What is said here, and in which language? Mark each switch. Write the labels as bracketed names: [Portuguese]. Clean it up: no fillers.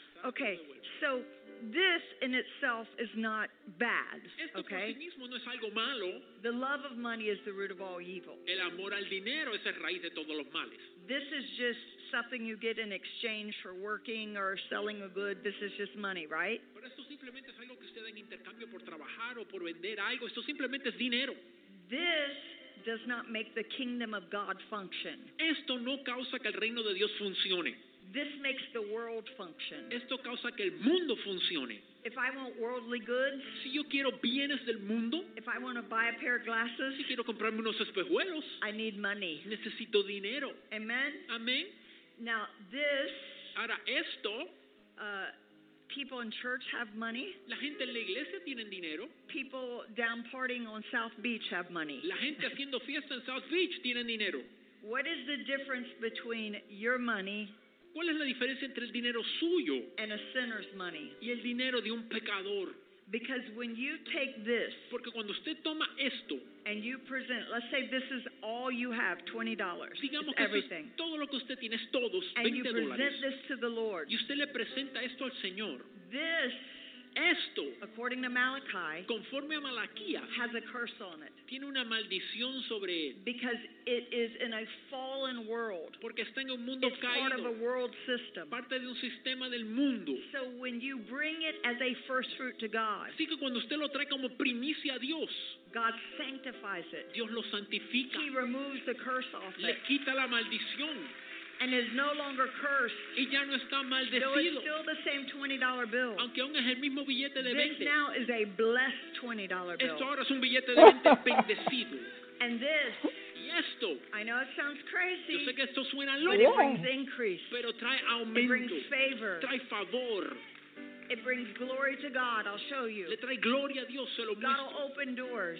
[English] Okay, so this in itself is not bad, okay? The love of money is the root of all evil. [Spanish] El amor al dinero es la raíz de todos los males. [English] This is just something you get in exchange for working or selling a good. This is just money, right? [Spanish] Pero esto simplemente es algo que usted da en intercambio por trabajar o por vender algo. Esto simplemente es dinero. [English] This does not make the kingdom of God function. [Spanish] Esto no causa que el reino de Dios funcione. [English] This makes the world function. [Spanish] Esto causa que el mundo funcione. [English] If I want worldly goods, [Spanish] si yo quiero bienes del mundo, [English] if I want to buy a pair of glasses, [Spanish] si quiero comprarme unos espejuelos, [English] I need money. [Spanish] Necesito dinero. [English] Amen. [Spanish] Amen. [English] Now this, [Spanish] ahora esto, [English] people in church have money. [Spanish] La gente en la iglesia tienen dinero. [English] People down partying on South Beach have money. [Spanish] La gente haciendo fiesta en South Beach tienen dinero. [English] What is the difference between your money? [Spanish] ¿Cuál es la diferencia entre el dinero suyo [English] and a sinner's money? [Spanish] Y el dinero de un pecador? [English] Because when you take this, [Spanish] porque cuando usted toma esto, [English] and you present, let's say this is all you have, $20, [Spanish] digamos [English] it's everything, [Spanish] es todo lo que usted tiene, es todo, es [English] and $20. You present this to the Lord, [Spanish] y usted le presenta esto al Señor, [English] this, [Spanish] esto, [English] according to Malachi, [Spanish] conforme a Malaquías, [English] has a curse on it. [Spanish] Tiene una maldición sobre él. [English] Because it is in a fallen world. [Spanish] Porque está en un mundo [English] it's [Spanish] caído. [English] Part of a world system. [Spanish] Parte de un sistema del mundo. [English] So when you bring it as a first fruit to God, [Spanish] así que cuando usted lo trae como primicia a Dios, [English] God sanctifies it. [Spanish] Dios lo santifica. [English] He removes the curse off [Spanish] le [English] it. [Spanish] Quita la maldición. [English] And is no longer cursed. [Spanish] Y ya no está maldecido. [English] Though it's still the same $20 bill. [Spanish] Aunque aún es el mismo billete de 20. [English] This now is a blessed $20 bill. [Spanish] Esto ahora es un billete de 20 bendecido. [English] And this. [Spanish] Y esto. [English] I know it sounds crazy. [Spanish] Yo sé que esto suena loco. [English] But it brings increase. [Spanish] Pero trae aumento. [English] It brings favor. [Spanish] Trae favor. [English] It brings glory to God. I'll show you. [Spanish] Le trae gloria a Dios, se lo muestro. [English] God will open doors.